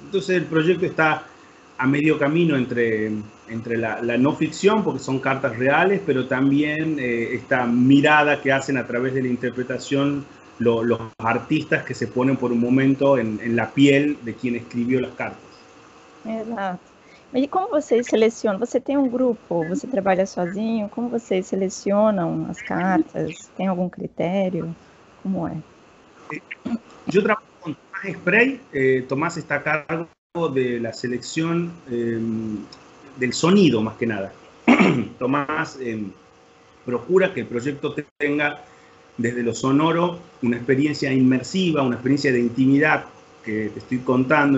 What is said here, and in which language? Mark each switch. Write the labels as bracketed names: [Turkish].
[Spanish] Entonces el proyecto está a medio camino entre la no ficción, porque son cartas reales, pero también esta mirada que hacen a través de la interpretación los artistas que se ponen por un momento en la piel de quien escribió las cartas. [Portuguese] Exato. E como vocês selecionam? Você tem um grupo? Você trabalha sozinho? Como vocês selecionam as cartas? Tem algum critério? Como é? [Spanish] Yo trabajo con Tomás Spray. Tomás está a cargo de la selección del sonido, más que nada. Tomás procura que el proyecto tenga, desde lo sonoro, una experiencia inmersiva, una experiencia de intimidad que te estoy contando.